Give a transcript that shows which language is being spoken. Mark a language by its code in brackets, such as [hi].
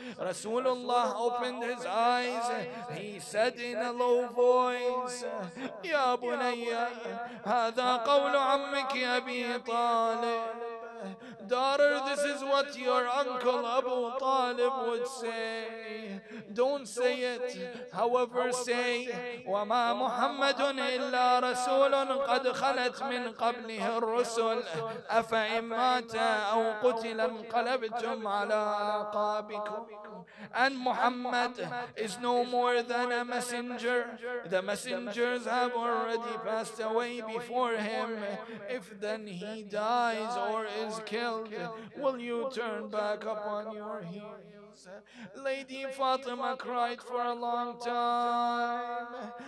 [en] Rasulullah opened his eyes. He said in a low voice, [ar] Ya Bunayya, hadha qawlu ammiki Abi Talib. [en] Daughter, this is what your uncle Abu Talib would say. Don't say it, however say, [ar] وَمَا مُحَمَّدٌ إِلَّا رَسُولٌ قَدْ خَلَتْ مِنْ قَبْلِهِ الرُّسُلُ أَفَإِن مَاتَ أَوْ قُتِلَ انقَلَبْتُمْ عَلَىٰ أَعْقَابِكُمْ. [en] And Muhammad is no more than a messenger. The messengers have already passed away before him. If then he dies or is killed, will you turn back upon your heels? Lady Fatima cried for a long time.